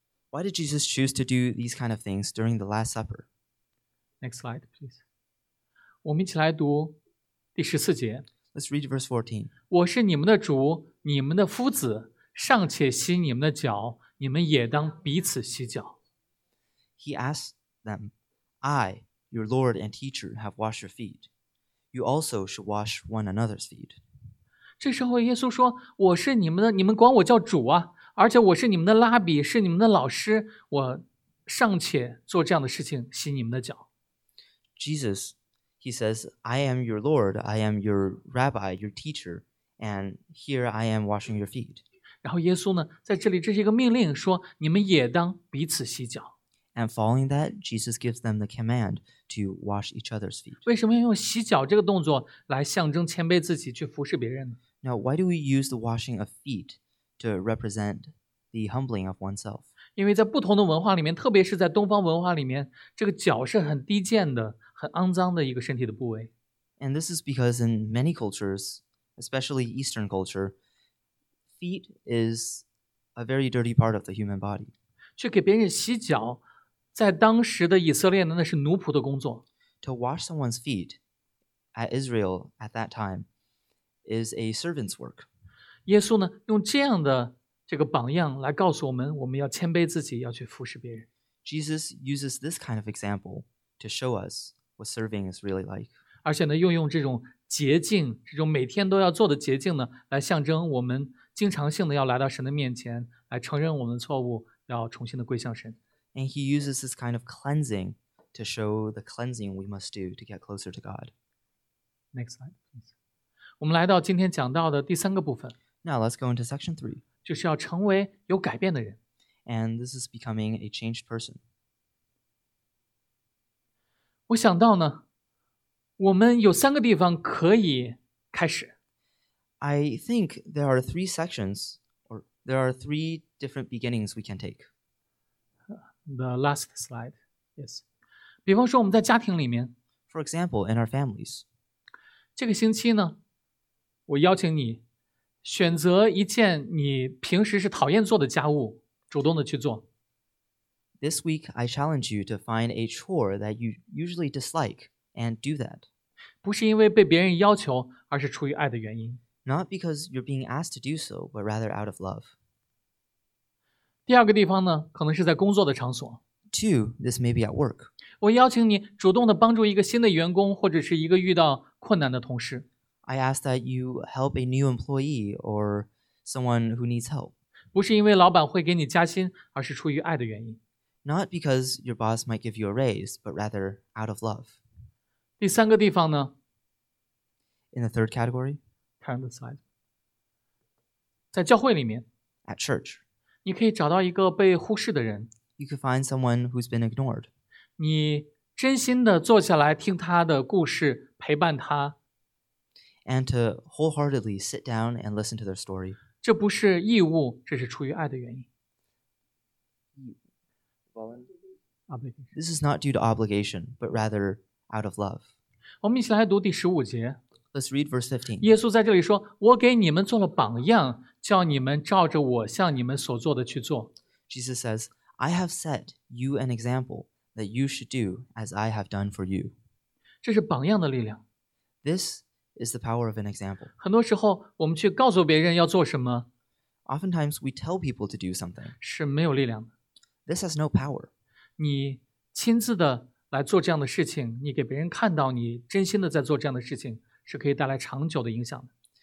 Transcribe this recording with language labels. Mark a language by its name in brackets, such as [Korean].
[English] Why did Jesus choose to do these kind of things during the Last Supper? Next slide, please. [Chinese] 我们一起来读第十四节。 [English] Let's read verse 14. [Chinese] 我是你们的主，你们的夫子，尚且洗你们的脚，你们也当彼此洗脚。 [English] He asked them, I, your Lord and teacher, have washed your feet. You also should wash one another's feet. [Chinese] 这时候耶稣说，我是你们的，你们管我叫主啊。而且我是你们的拉比，是你们的老师，我尚且做这样的事情，洗你们的脚。 [English] Jesus, he says, I am your Lord, I am your Rabbi, your teacher, and here I am washing your feet. [Chinese] 然后耶稣呢，在这里这是一个命令，说你们也当彼此洗脚。 [English] And following that, Jesus gives them the command to wash each other's feet. [Chinese] 为什么要用洗脚这个动作来象征谦卑自己，去服侍别人呢？ [English] Now, why do we use the washing of feet? To represent the humbling of oneself. [Chinese] 因为在不同的文化里面，特别是在东方文化里面，这个脚是很低贱的，很肮脏的一个身体的部位。 [English] And this is because in many cultures, especially Eastern culture, feet is a very dirty part of the human body. [Chinese] 去给别人洗脚，在当时的以色列呢，那是奴仆的工作。 [English] To wash someone's feet at Israel at that time is a servant's work. [Chinese] 耶稣呢，用这样的这个榜样来告诉我们，我们要谦卑自己，要去服侍别人。 [English] Jesus uses this kind of example to show us what serving is really like. [Chinese] 而且呢，又用这种洁净，这种每天都要做的洁净呢，来象征我们经常性的要来到神的面前，来承认我们的错误，要重新的归向神。 [English] And he uses this kind of cleansing to show the cleansing we must do to get closer to God. Next slide, please. [Chinese] 我们来到今天讲到的第三个部分。 [English] Now let's go into section three. [Chinese] 就是要成为有改变的人。 [English] And this is becoming a changed person. [Chinese] 我想到呢，我们有三个地方可以开始。 [English] I think there are three sections, or there are three different beginnings we can take. The last slide, yes. [Chinese] 比方说我们在家庭里面。 [English] For example, in our families. [Chinese] 这个星期呢，我邀请你选择一件你平时是讨厌做的家务，主动的去做。 [English] This week, I challenge you to find a chore that you usually dislike and do that. [Chinese] 不是因为被别人要求，而是出于爱的原因。 [English] Not because you're being asked to do so, but rather out of love. [Chinese] 第二个地方呢，可能是在工作的场所。 [English] Two, this may be at work. [Chinese] 我邀请你主动的帮助一个新的员工，或者是一个遇到困难的同事。 [English] I ask that you help a new employee or someone who needs help. [Chinese] 不是因为老板会给你加薪，而是出于爱的原因。 [English] Not because your boss might give you a raise, but rather out of love. [Chinese] 第三个地方呢？ [English] In the third category? Turn the slide. [Chinese] 在教会里面。 [English] At church. [Chinese] 你可以找到一个被忽视的人。 [English] You could find someone who's been ignored. [Chinese] 你真心的坐下来听他的故事，陪伴他。 [English] And to wholeheartedly sit down and listen to their story. [Chinese] 这不是义务，这是出于爱的原因。 [English] This is not due to obligation, but rather out of love. [Chinese] 我们一起来读第十五节。 [English] Let's read verse 15. [Chinese] 耶稣在这里说，我给你们做了榜样，叫你们照着我向你们所做的去做。 [English] Jesus says, I have set you an example that you should do as I have done for you. [Chinese] 这是榜样的力量。 [English] This is the power of an example. [Chinese] 很多时候我们去告诉别人要做什么， [English] Oftentimes we tell people to do something. [Chinese] 是没有力量的。 [English] This has no power. [Chinese] 你亲自的来做这样的事情，你给别人看到你真心的在做这样的事情，是可以带来长久的影响的。